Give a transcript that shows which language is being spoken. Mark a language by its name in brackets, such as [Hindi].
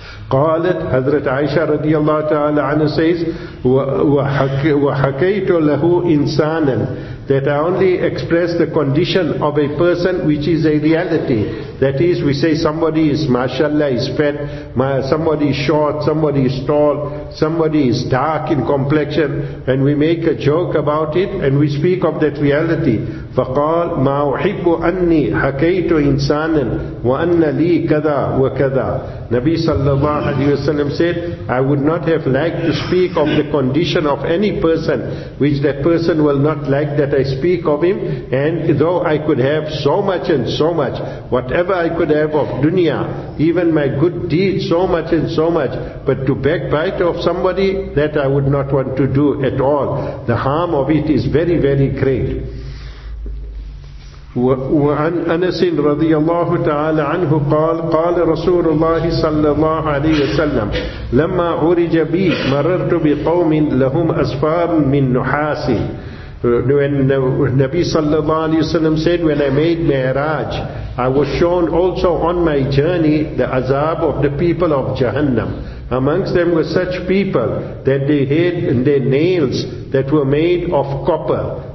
[Arabic] قالت حضرت عائشه رضي الله تعالى عنها [English] says, [Arabic] وحكيت له انسانا, [English] that I only express the condition of a person which is a reality. That is, we say somebody is mashallah, is fat, somebody is short, somebody is tall, somebody is dark in complexion, and we make a joke about it and we speak of that reality. [Arabic] فقال ما أحب أني حكيت إنسانا وأن لي كذا وكذا. [English] Nabi sallallahu alayhi wa sallam said, I would not have liked to speak of the condition of any person which that person will not like that I speak of him, and though I could have so much and so much, whatever I could have of dunya, even my good deeds, so much and so much, but to backbite of somebody, that I would not want to do at all. The harm of it is very, very great. [Arabic] وعن أنس رضي الله تعالى عنه قال قال رسول الله صلى الله عليه وسلم لما عرج بي مررت بقوم لهم أسفار من نحاس. [English] When Nabi sallallahu alayhi wa sallam said, when I made Mi'raj, I was shown also on my journey the azab of the people of Jahannam. Amongst them were such people that they had their nails that were made of copper.